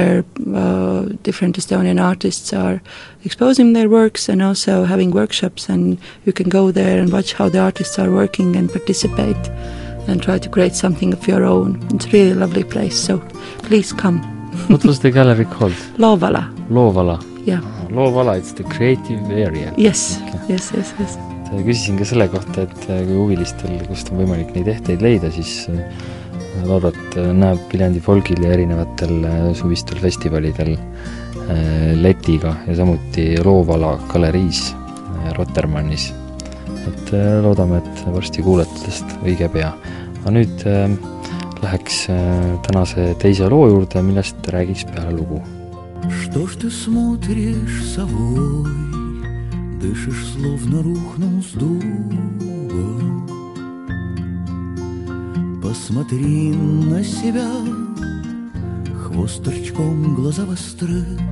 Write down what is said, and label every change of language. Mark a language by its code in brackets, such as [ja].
[en] where different Estonian artists are exposing their works and also having workshops, and you can go there and watch how the artists are working and participate and try to create something of your own. It's a really lovely place, so please come. What was the gallery called? Loovala. Loovala. Yeah. Loovala, it's the creative area. Yes, okay. yes. [et] Ja küsisin ka selle kohta, et kui huvilistel, kust on võimalik neid ehteid leida, siis loodat näeb Viljandi Folgil ja erinevatel suvistel festivalidel Letiga ja samuti Loovala galeriis Rotermannis. Et loodame, et varsti kuuletest õige pea. Aga nüüd läheks tänase teise loo juurde, millest räägiks peale lugu. [ru] Что ж ты смотришь совой, дышишь, словно рухнул с дуба? Посмотри на себя, хвост торчком, глаза востры.